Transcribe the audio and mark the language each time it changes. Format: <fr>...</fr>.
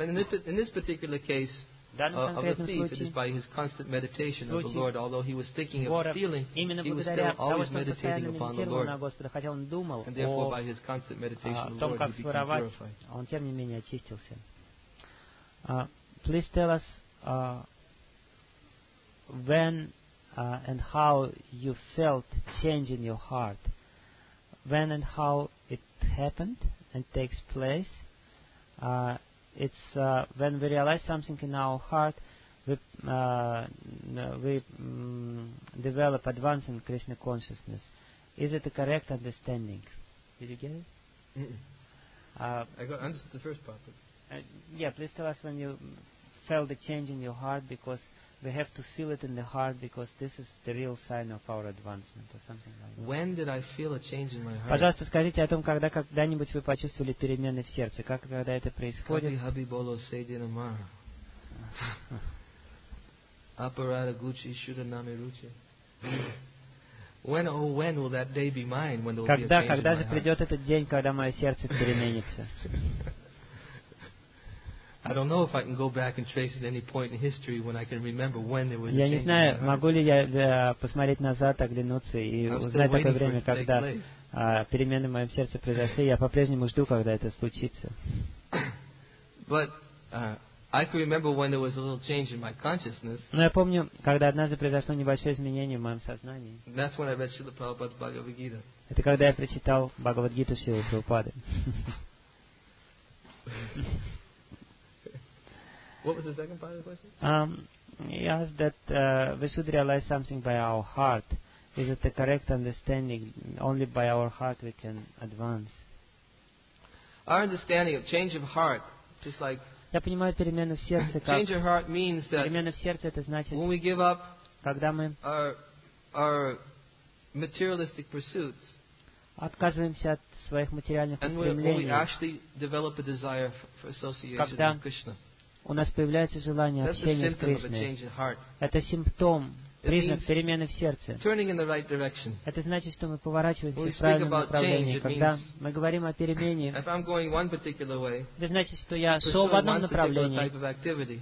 <ru>В данном конкретном случае, вора, именно благодаря тому, что он постоянно медитировал на Господа, хотя он думал о том, как своровать, он тем не менее очистился.</ru> <en>Please tell us when and how you felt change in your heart when and how it happened and takes place. It's when we realize something in our heart, we develop advancing Krishna consciousness. Is it a correct understanding? Did you get it? I got answered the first part. Yeah, please tell us when you felt the change in your heart, because we have to feel it in the heart, because this is the real sign of our advancement or something like that. When did I feel a change in my heart?</en> <ru>Пожалуйста, скажите о том, когда когда-нибудь вы почувствовали перемены в сердце, как и когда это происходит? Kali Habi Bolo Sayyidinamara.</ru> <en>Aparada Gucci Shudaname Ruchi. When, oh, when will that day be mine, when there will be a change?</en> <ru>Когда же придет этот день, когда мое сердце переменится?</ru> <en>I don't know if I can go back and trace it any point in history when I can remember when there was a change.</en> <ru>Я не знаю, могу ли я посмотреть назад, оглянуться и узнать такое время, когда перемены в моем сердце произошли. Я по-прежнему жду, когда это случится.</ru> <en>But I can remember when there was a little change in my consciousness.</en> <ru>Но я помню, когда однажды произошло небольшое изменение в моем сознании.</ru> <en>That's when I read Srila Prabhupada's Bhagavad Gita.</en> <ru>Это когда я прочитал Бхагавад-гиту Шрилы Прабхупады.</ru> <en>What was the second part of the question? He asked that we should realize something by our heart. Is it the correct understanding? Only by our heart we can advance. Our understanding of change of heart, just like...</en> <ru>Я понимаю перемену в сердце, как...</ru> <en>Change of heart means that...</en> <ru>Перемена в сердце, это значит...</ru> <en>When we give up</en> <ru>когда мы</ru> <en>our materialistic pursuits...</en> <ru>Отказываемся от своих материальных</ru> <en>and</en> <ru>устремлений...</ru> <en>And when we actually develop a desire for association with Krishna...</en> <ru>У нас появляется желание общения с Кришной. Это симптом, признак перемены в сердце. Это значит, что мы поворачиваемся в правильном направлении. Когда мы говорим о перемене, это значит, что я шел в одном направлении.</ru>